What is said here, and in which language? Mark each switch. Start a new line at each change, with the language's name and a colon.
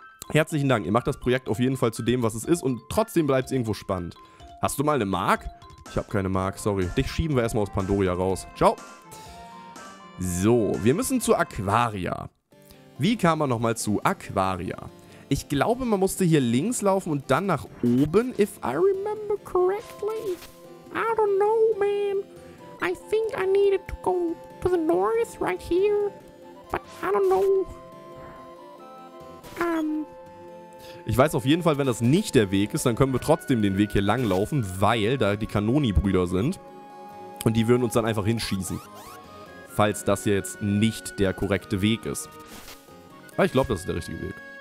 German: Herzlichen Dank, ihr macht das Projekt auf jeden Fall zu dem, was es ist und trotzdem bleibt es irgendwo spannend. Hast du mal eine Mark? Ich habe keine Mark, sorry. Dich schieben wir erstmal aus Pandoria raus. Ciao. So, wir müssen zu Aquaria. Wie kam man nochmal zu Aquaria? Ich glaube, man musste hier links laufen und dann nach oben,
English: if I remember correctly. I don't know, man. I think I needed to go to the north right here, but I don't know.
German: Ich weiß auf jeden Fall, wenn das nicht der Weg ist, dann können wir trotzdem den Weg hier langlaufen, weil da die Kanoni-Brüder sind. Und die würden uns dann einfach hinschießen. Falls das hier jetzt nicht der korrekte Weg ist. Aber ich glaube, das ist der richtige Weg.